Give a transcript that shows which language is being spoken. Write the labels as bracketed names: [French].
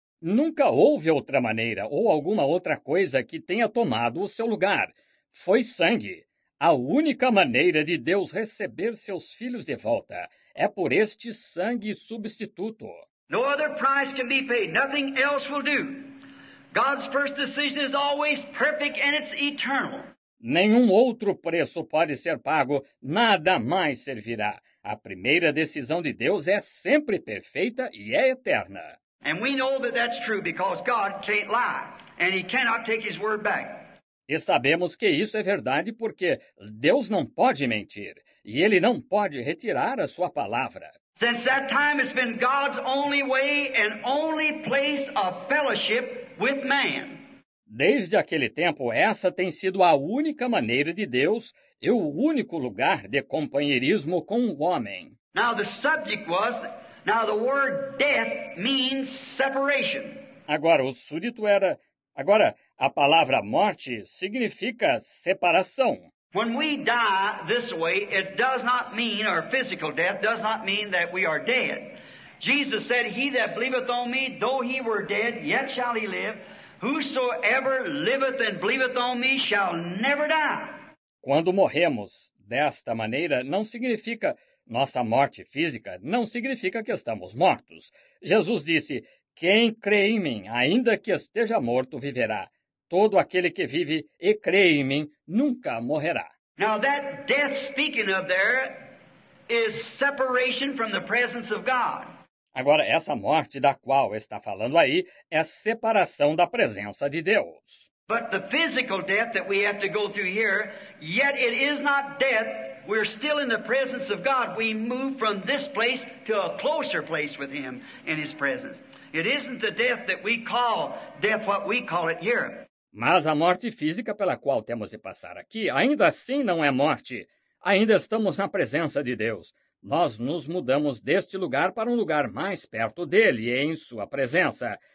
[Portuguese] Nunca houve outra maneira ou alguma outra coisa que tenha tomado o seu lugar. Foi sangue. A única maneira de Deus receber seus filhos de volta é por este sangue substituto. [English] No other price can be paid. Nothing else will do. God's first decision is always perfect and it's eternal. [Portuguese] Nenhum outro preço pode ser pago. Nada mais servirá. A primeira decisão de Deus é sempre perfeita e é eterna. [English] And we know that that's true because God can't lie and he cannot take his word back. [Portuguese] E sabemos que isso é verdade porque Deus não pode mentir e ele não pode retirar a sua palavra. [English] Since that time it's been God's only way and only place of fellowship with man. [Portuguese] Desde aquele tempo, essa tem sido a única maneira de Deus e o único lugar de companheirismo com o homem. [English] Now the subject was, now the word death means separation. [Portuguese] Agora, o súdito era, agora, a palavra morte significa separação. [English] When we die this way, it does not mean, our physical death does not mean that we are dead. Jesus said, he that believeth on me, though he were dead, yet shall he live. Whosoever liveth and believeth on me shall never die. [Portuguese] Quando morremos desta maneira, não significa nossa morte física, não significa que estamos mortos. Jesus disse, quem crê em mim, ainda que esteja morto, viverá. Todo aquele que vive e crê em mim nunca morrerá. [English] Now that death speaking of there is separation from the presence of God. [Portuguese] Agora, essa morte da qual está falando aí é a separação da presença de Deus. [English] But the physical death that we have to go through here, yet it is not death. We're still in the presence of God. We move from this place to a closer place with him in his presence. It isn't the death that we call death, what we call it here. [Portuguese] Mas a morte física pela qual temos de passar aqui, ainda assim não é morte. Ainda estamos na presença de Deus. Nós nos mudamos deste lugar para um lugar mais perto dele, em sua presença.